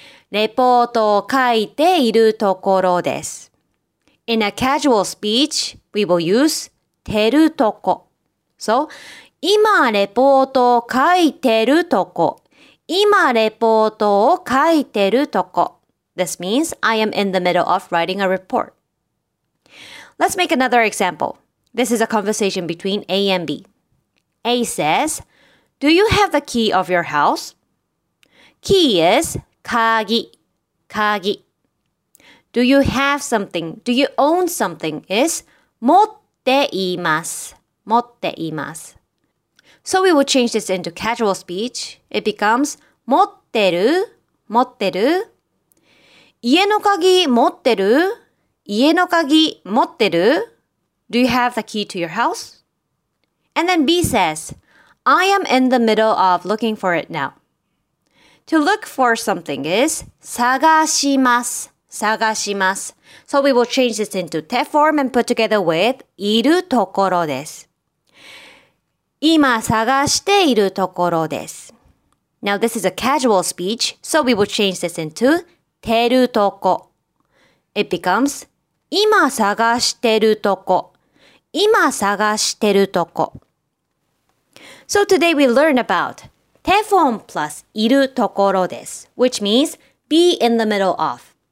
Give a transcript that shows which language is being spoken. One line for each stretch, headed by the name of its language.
Japanese: レポートを書いているところです。
English: In a casual speech, we will use てるとこ。
Japanese: So, 今レポートを書いてるとこ。今レポートを書いてるとこ。
English: This means I am in the middle of writing a report. Let's make another example. This is a conversation between A and B. A says, Do you have the key of your house? Key is 鍵。鍵。 Do you have something? Do you own something? Is
Japanese: 持っています。持っています。
English: So we will change this into casual speech. It becomes
Japanese: 持ってる。持ってる。家の鍵持ってる。家の鍵持ってる。
English: Do you have the key to your house? And then B says, I am in the middle of looking for it now. To look for something is
Japanese: 探します。
English: 探します。 So we will change this into te form and put together with いるところです。
Japanese: 今探しているところです。
English: Now this is a casual speech, so we will change this into てるとこ。 It becomes
Japanese: 今探してるとこ。今探してるとこ。
English: So today we learn about テフォン plus いるところです which means be in the middle of.